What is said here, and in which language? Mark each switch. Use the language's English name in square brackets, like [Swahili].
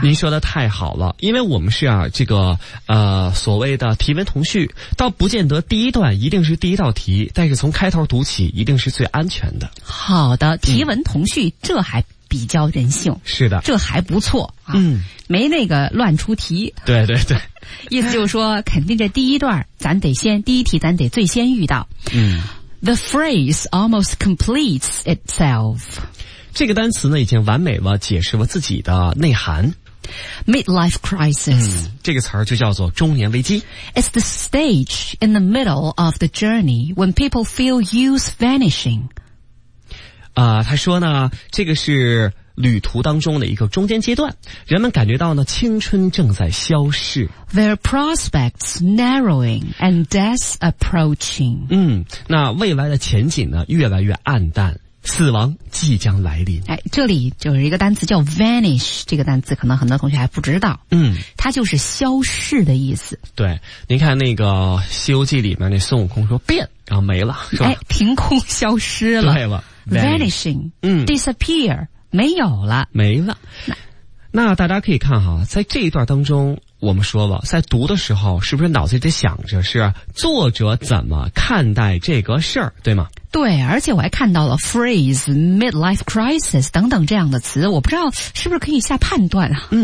[Chinese] 您说的太好了，因为我们是啊这个所谓的题文同序，倒不见得第一段一定是第一道题，但是从开头读起一定是最安全的。好的，题文同序、嗯、这还比较人性。是的，这还不错啊。嗯，没那个乱出题。对对对，意思就是说肯定这第一段咱得先，第一题咱得最先遇到。嗯， [English] The phrase almost completes itself. [Chinese] 这个单词呢已经完美了解释了自己的内涵。 [English] Midlife crisis. [Chinese] 这个词儿就叫做中年危机。 [English] It's the stage in the middle of the journey when people feel youth vanishing. [Chinese] 他说呢，这个是旅途当中的一个中间阶段，人们感觉到呢青春正在消逝。 [English] Their prospects narrowing and death approaching. [Chinese] 那未来的前景呢越来越暗淡。死亡即将来临。哎，这里就是一个单词叫 vanish， 这个单词可能很多同学还不知道。它就是消逝的意思。对，您看那个《西游记》里面那孙悟空说变，然后没了，是吧？哎，凭空消失了。对了， [English] vanishing， disappear， [Chinese] 没有了，没了。那大家可以看哈，在这一段当中。我们说了，在读的时候，是不是脑子里得想着是作者怎么看待这个事儿，对吗？对，而且我还看到了 phrase、midlife crisis 等等这样的词，我不知道是不是可以下判断啊？